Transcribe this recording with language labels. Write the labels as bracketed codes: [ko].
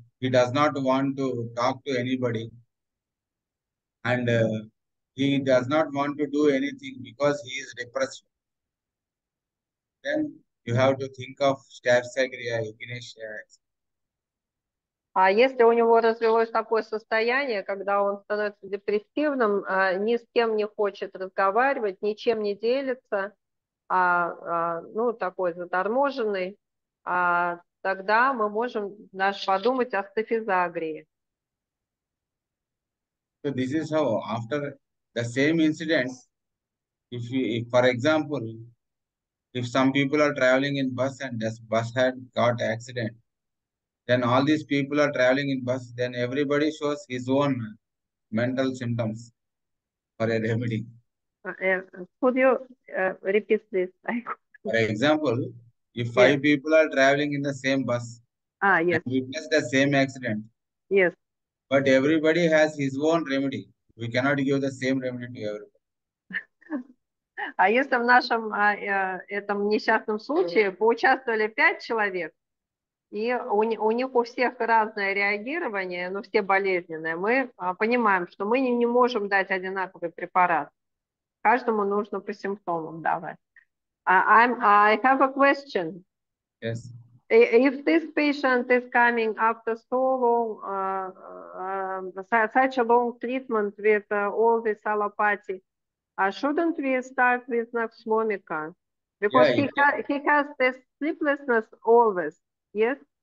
[en] He does not want to talk to anybody. And he does not want to do anything because he is depressed. Then you have to think of Staphylococcus, Echinacea. [ru] А если у него развилось такое состояние, когда он становится депрессивным, ни с кем не хочет разговаривать, ничем не делится, ну, такой заторможенный, тогда мы можем даже подумать о стафизагрии. [en] So this is how after the same incident, if for example, if some people are traveling in bus and this bus had got accident, then all these people are traveling in bus, then everybody shows his own mental symptoms for a remedy. Could you repeat this? For example, if Yes. five people are traveling in the same bus ah yes and witness the same accident, yes. But everybody has his own remedy. We cannot give the same remedy to everybody. [ru] А если в нашем этом несчастном случае поучаствовали пять человек, и у них у всех разное реагирование, но все болезненные, мы понимаем, что мы не можем дать одинаковый препарат. Каждому нужно по симптомам давать. [en] I have a question. Yes. If this patient is coming after so long, such a long treatment with all this allopathy, shouldn't we start with Naxomica? Because yeah, he has this sleeplessness always, yes?